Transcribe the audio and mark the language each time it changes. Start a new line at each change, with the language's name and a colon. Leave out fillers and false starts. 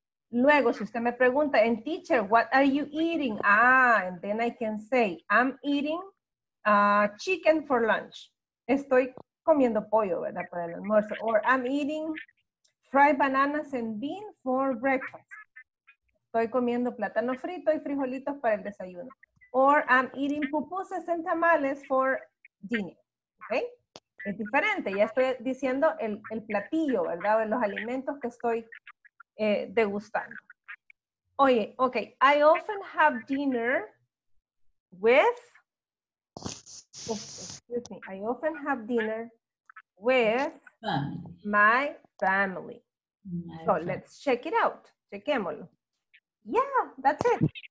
Spanish: Luego, si usted me pregunta,
English: and teacher, what are you eating? Ah, and then I can say, I'm eating chicken for lunch.
Spanish: Estoy comiendo pollo, ¿verdad? Para el almuerzo.
English: Or I'm eating fried bananas and beans for breakfast.
Spanish: Estoy comiendo plátano frito y frijolitos para el desayuno.
English: Or I'm eating pupusas and tamales for dinner. Okay?
Spanish: Es diferente, ya estoy diciendo el platillo, ¿verdad? O los alimentos que estoy degustando. Oye,
English: ok, I often have dinner with, excuse me, I often have dinner with my family. So let's check it out,
Spanish: chequémoslo.
English: Yeah, that's it.